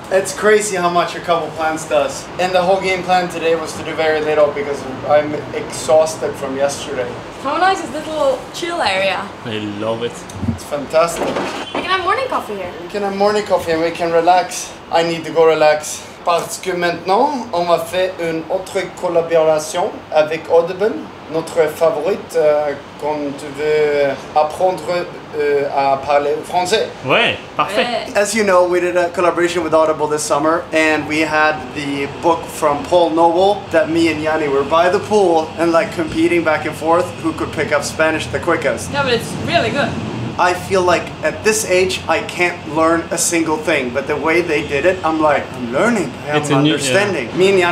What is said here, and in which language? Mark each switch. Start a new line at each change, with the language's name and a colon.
English: It's crazy how much a couple plants does. And the whole game plan today was to do very little because I'm exhausted from yesterday. How nice is this little chill area? I love it. It's fantastic. We can have morning coffee here. We can have morning coffee and we can relax. I need to go relax.
French: Parce que maintenant, on va faire une autre collaboration avec Audible. Notre favorite, quand tu veux apprendre à parler français. Ouais, parfait.
English: As you know, we did a collaboration with Audible this summer, and we had the book from Paul Noble that me and Yanni were by the pool and like competing back and forth who could pick up Spanish the quickest. Yeah, but it's really good. I feel like at this age, I can't learn a single thing, but the way they did it, I'm like, I'm learning, I'm understanding. New, yeah.